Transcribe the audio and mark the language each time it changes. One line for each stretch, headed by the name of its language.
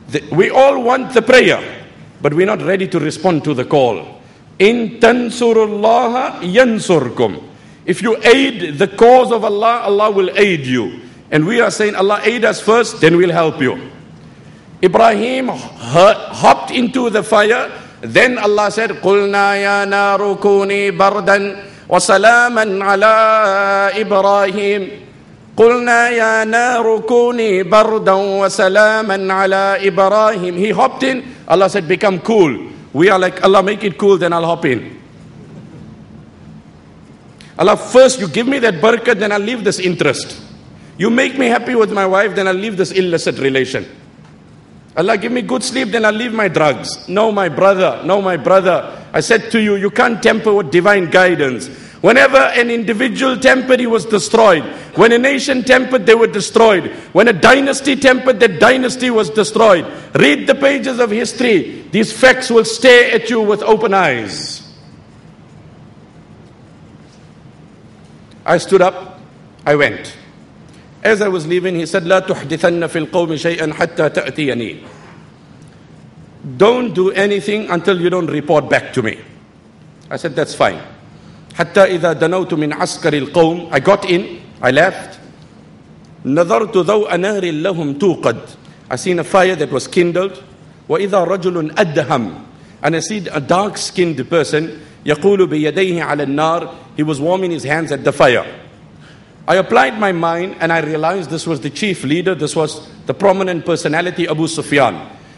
English: We all want the prayer, but we're not ready to respond to the call.
Arabic: In tansurullaha yansurkum.
English: If you aid the cause of Allah, Allah will aid you. And we are saying, Allah, aid us first, then we'll help you. Ibrahim hopped into the fire. Then Allah said,
Arabic: قُلْنَا يَا نَارُ كُونِي بَرْدًا وَسَلَامًا عَلَىٰ إِبْرَاهِيمٍ. قلنا يا نار كوني بردا وسلاما على إبراهيم.
English: He hopped in. Allah said, become cool. We are like, Allah, make it cool, then I'll hop in. Allah, first you give me that barakah, then I'll leave this interest. You make me happy with my wife, then I'll leave this illicit relation. Allah, give me good sleep, then I'll leave my drugs. No, my brother, no, my brother. I said to you, you can't temper with divine guidance. Whenever an individual tempered, he was destroyed. When a nation tempered, they were destroyed. When a dynasty tempered, that dynasty was destroyed. Read the pages of history. These facts will stare at you with open eyes. I stood up. I went. As I was leaving, he said,
Arabic: لا تحدثن في القوم شيئا حتى تأتيني.
English: Don't do anything until you don't report back to me. I said, that's fine.
Arabic: حتى إذا دنوت من عسكر القوم,
English: I got in, I left.
Arabic: نظرت ذوء نار لهم توقد,
English: I seen a fire that was kindled.
Arabic: وإذا رجل أدهم,
English: and I seen a dark skinned person,
Arabic: يقول بيديه على النار,
English: he was warming his hands at the fire. I applied my mind and I realized this was the chief leader, this was the prominent personality, Abu Sufyan.